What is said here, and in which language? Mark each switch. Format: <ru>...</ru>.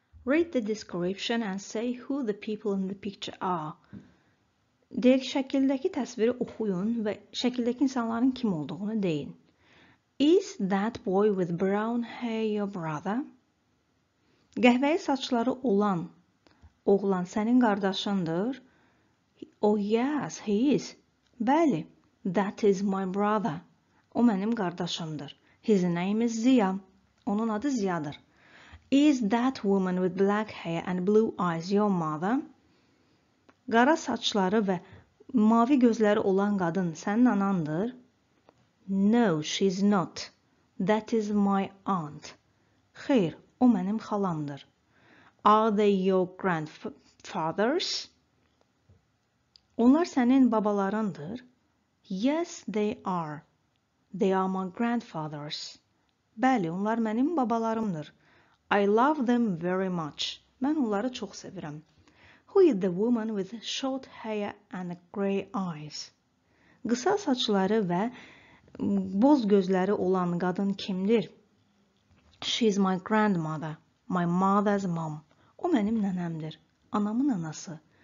<en>Read the description and say who the people in the picture are.</en> <az>Deyək, şəkildəki təsviri oxuyun və şəkildəki insanların kim olduğunu deyin.</az> <en>Is that boy with brown hair your brother?</en> <az>Qəhvəyi saçları olan oğlan sənin qardaşındır.</az> <en>Oh, yes, he is. Bəli, that is my brother.</en> <az>O mənim qardaşımdır.</az> <en>His name is Ziya.</en> <az>Onun adı Ziyadır.</az> <en>Is that woman with black hair and blue eyes your mother?</en> <az>Qara saçları və mavi gözləri olan qadın sənin anandır?</az> <en>No, she's not. That is my aunt.</en> <az>Xeyr, o mənim xalamdır.</az> <en>Are they your grandfathers?</en> <az>Onlar sənin babalarındır?</az> <en>Yes, they are. They are my grandfathers.</en> <az>Bəli, onlar mənim babalarımdır.</az> <en>I love them very much.</en> <az>Mən onları çox sevirəm.</az> <en>Who is the woman with short hair and grey eyes?</en> <az>Qısa saçları və boz gözləri olan qadın kimdir?</az> <en>She is my grandmother, my mother's mom.</en> <az>O mənim nənəmdir, anamın anası.</az>